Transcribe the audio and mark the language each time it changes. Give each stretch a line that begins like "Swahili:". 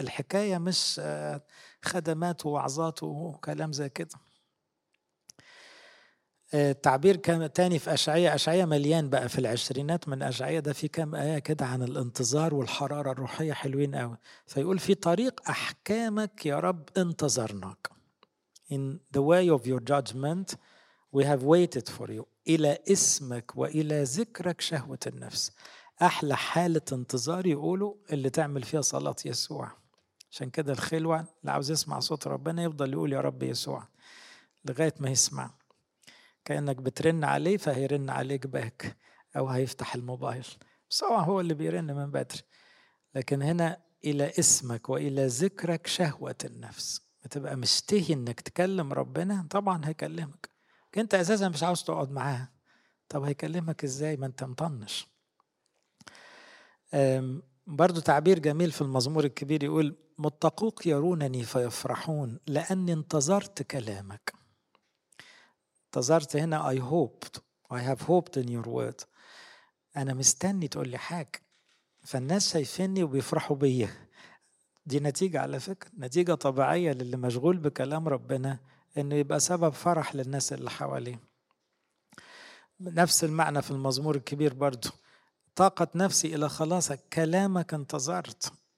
Arabic: الحكاية مش خدمات ووعظات وكلام زي كده. التعبير كان تاني في أشعياء, أشعياء مليان بقى في العشرينات من أشعياء, ده في كام آية كده عن الانتظار والحرارة الروحية حلوين قوي. فيقول في طريق أحكامك يا رب انتظرناك.
English: In the way of your judgment we have waited for you.
Arabic: إلى اسمك وإلى ذكرك شهوة النفس. أحلى حالة انتظار يقولوا اللي تعمل فيها صلاة يسوع. عشان كده الخلوة اللي عاوز يسمع صوت ربنا يفضل يقول يا رب يسوع لغاية ما يسمع, كأنك بترن عليه فهيرن عليك باك أو هيفتح الموبايل, سواء هو اللي بيرن من بدري. لكن هنا إلى اسمك وإلى ذكرك شهوة النفس, بتبقى مشتهي إنك تكلم ربنا. طبعا هيكلمك, كنت أساسا مش عاوز تقعد معاه, طب هيكلمك إزاي ما أنت مطنش. برضو تعبير جميل في المزمور الكبير يقول متقوق يرونني فيفرحون لأني انتظرت كلامك. انتظرت هنا
English: I hoped, I have hoped in your word.
Arabic: أنا مستني تقول لي حاجة، فالناس شايفيني وبيفرحوا بيا. دي نتيجة على فكرة، نتيجة طبيعية للي مشغول بكلام ربنا، إنه يبقى سبب فرح للناس اللي حواليه. نفس المعنى في المزمور الكبير برضو، طاقة نفسي إلى خلاصك، كلامك انتظرت.